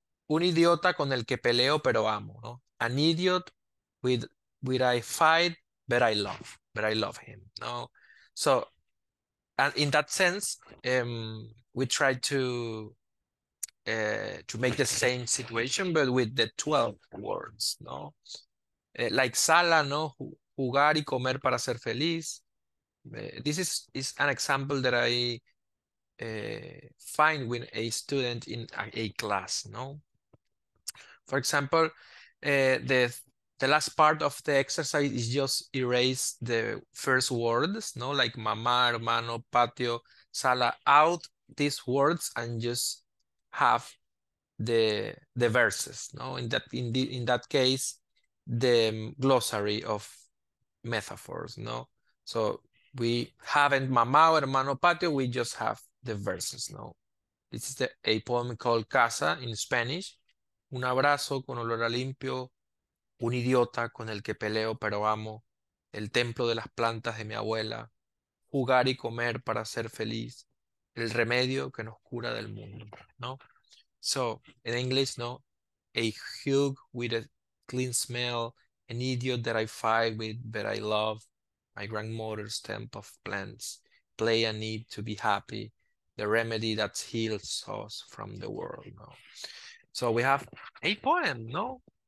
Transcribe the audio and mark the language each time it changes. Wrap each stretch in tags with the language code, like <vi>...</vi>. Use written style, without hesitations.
<es>Un idiota con el que peleo pero amo, no?</es> <en>An idiot with I fight but I love, but I love him, no? So, and in that sense, we try to make the same situation but with the 12 words, no? Like sala, no?</en> <es>Jugar y comer para ser feliz.</es> <en>This is an example that I find with a student in a class, no? For example, the last part of the exercise is just erase the first words, no? Like mamá, hermano, patio, sala, out these words and just have the verses, no? In that case, the glossary of metaphors, no? So we haven't mamá o hermano patio, we just have the verses, no? This is a poem called Casa in Spanish.</en> <es>Un abrazo con olor a limpio, un idiota con el que peleo pero amo, el templo de las plantas de mi abuela, jugar y comer para ser feliz, el remedio que nos cura del mundo, no?</es> <en>So, in English, no? A hug with a clean smell, an idiot that I fight with but I love, my grandmother's temple of plants, play a need to be happy, the remedy that heals us from the world, no? So we have a poem, no?</en>